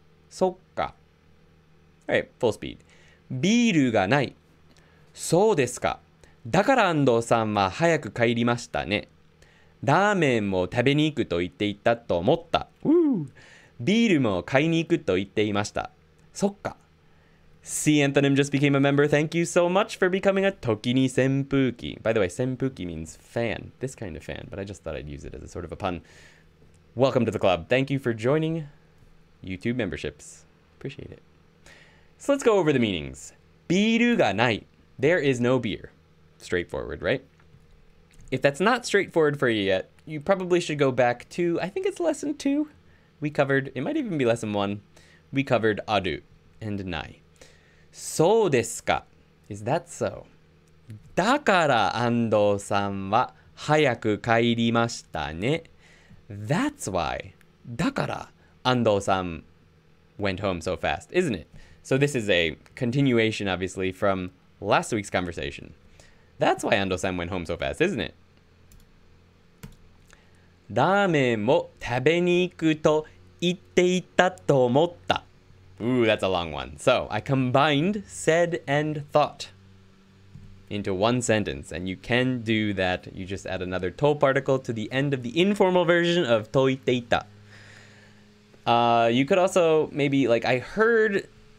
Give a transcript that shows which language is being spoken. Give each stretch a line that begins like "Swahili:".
Japanese: そっか。
English: All right, full speed.
Japanese: ビールがない。そうですか。だから安藤さんは早く帰りましたね。ラーメンも食べに行くと言っていたと思った。 Woo! ビールも買いに行くと言っていました。そっか。
English: C. Anthony just became a member. Thank you so much for becoming a ToKini Senpuki. By the way, Senpuki means fan, this kind of fan, but I just thought I'd use it as a sort of a pun. Welcome to the club. Thank you for joining YouTube memberships. Appreciate it. So let's go over the meanings. Biru ga nai. There is no beer. Straightforward, right? If that's not straightforward for you yet, you probably should go back to, I think it's lesson two. We covered, it might even be lesson one. We covered aru and nai.
Japanese: そうですか?
English: Is that so?
Japanese: だから安藤さんは早く帰りましたね。
English: That's why.
Japanese: だから
English: 安藤さん went home so fast, isn't it? So this is a continuation, obviously, from last week's conversation. That's why 安藤さん went home so fast, isn't it?
Japanese: ラーメンも食べに行くと言っていたと思った。
English: Ooh, that's a long one. So, I combined said and thought into one sentence, and you can do that. You just add another to particle to the end of the informal version of と言っていた. You could also, maybe, like, I heard